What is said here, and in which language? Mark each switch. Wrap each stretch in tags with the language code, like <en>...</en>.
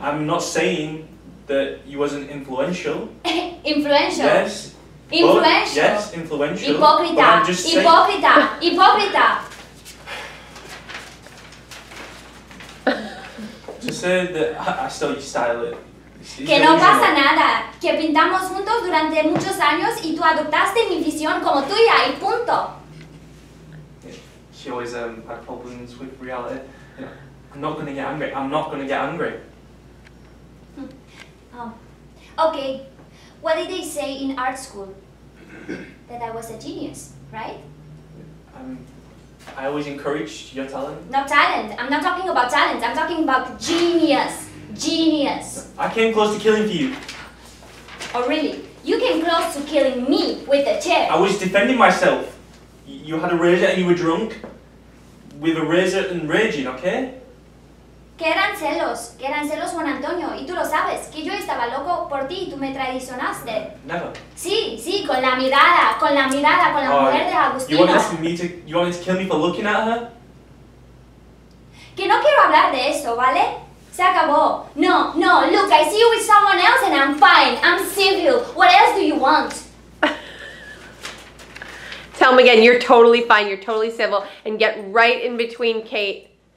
<en>I'm not saying that he wasn't influential. Influential? Yes. Influential? Yes, influential.</en> <es>Hipócrita.</es> <en>But I'm just saying.</en> <es>Hipócrita. Hipócrita.</es> <en>To say that I saw you style it.</en> <es>Que no pasa nada. Que pintamos juntos durante muchos años y tú adoptaste mi visión como tuya y punto.</es> <en>She always had problems with reality. I'm not gonna get angry. I'm not gonna get angry. Okay, what did they say in art school? That I was a genius, right? I always encouraged your talent. No talent. I'm not talking about talent. I'm talking about genius. Genius. I came close to killing for you. Oh, really? You came close to killing me with a chair. I was defending myself. You had a razor and you were drunk. With a razor and raging, okay?</en> <es>Que eran celos Juan Antonio, y tú lo sabes, que yo estaba loco por ti y tú me traicionaste.</es> <en>Never.</en> <es>Sí, con la mirada, con la mujer de Agustina.</es> <en>You wanted to kill me for looking at her?</en> <es>Que no quiero hablar de esto, ¿vale? Se acabó.</es> <en>No, look, I see you with someone else and I'm fine, I'm civil. What else do you want? Tell him again, you're totally fine, you're totally civil, and get right in between Kate.</en>